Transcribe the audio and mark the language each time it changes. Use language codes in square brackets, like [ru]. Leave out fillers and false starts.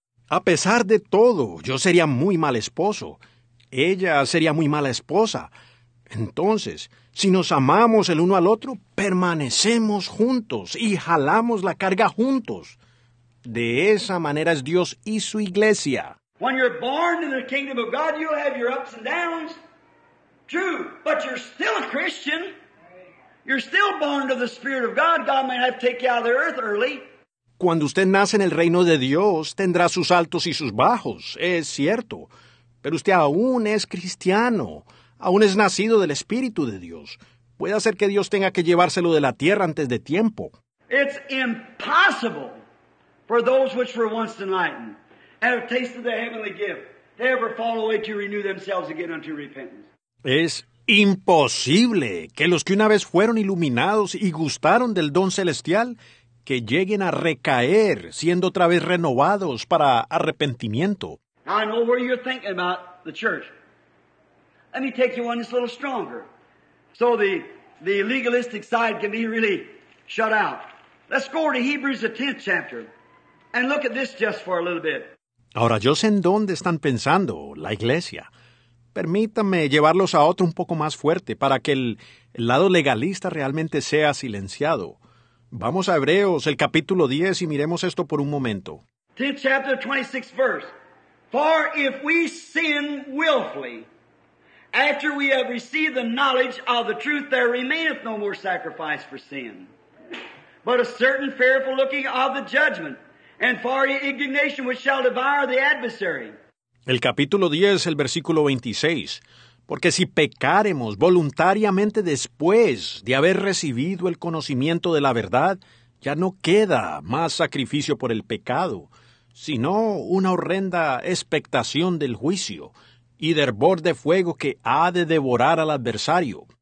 [es] A pesar de todo, yo sería muy mal esposo. Ella sería muy mala esposa. Entonces, si nos amamos el uno al otro, permanecemos juntos y jalamos la carga juntos. De esa manera es Dios y su iglesia. [en] When you're born in the kingdom of God, you'll have your ups and downs. True, but you're still a Christian. You're still born of the Spirit of God. God may have to take you out of the earth early. [es] Cuando usted nace en el reino de Dios, tendrá sus altos y sus bajos, es cierto. Pero usted aún es cristiano, aún es nacido del Espíritu de Dios. Puede ser que Dios tenga que llevárselo de la tierra antes de tiempo. [en] It's impossible for those which were once enlightened and have tasted the heavenly gift to ever fall away to renew themselves again unto repentance. [es] Es imposible que los que una vez fueron iluminados y gustaron del don celestial, que lleguen a recaer, siendo otra vez renovados para arrepentimiento. [en] I know where you're thinking about the church. Let me take you one that's a little stronger. So the legalistic side can be really shut out. Let's go to Hebrews, the 10th chapter, and look at this just for a little bit. [es] Ahora, yo sé en dónde están pensando la iglesia. Permítanme llevarlos a otro un poco más fuerte para que el lado legalista realmente sea silenciado. Vamos a Hebreos, el capítulo 10, y miremos esto por un momento. [en] 10th chapter, 26th verse. For if we sin willfully, after we have received the knowledge of the truth, there remaineth no more sacrifice for sin, but a certain fearful looking of the judgment, and for indignation which shall devour the adversary. [es] El capítulo 10, el versículo 26. Porque si pecáremos voluntariamente después de haber recibido el conocimiento de la verdad, ya no queda más sacrificio por el pecado, sino una horrenda expectación del juicio y de hervor de fuego que ha de devorar al adversario.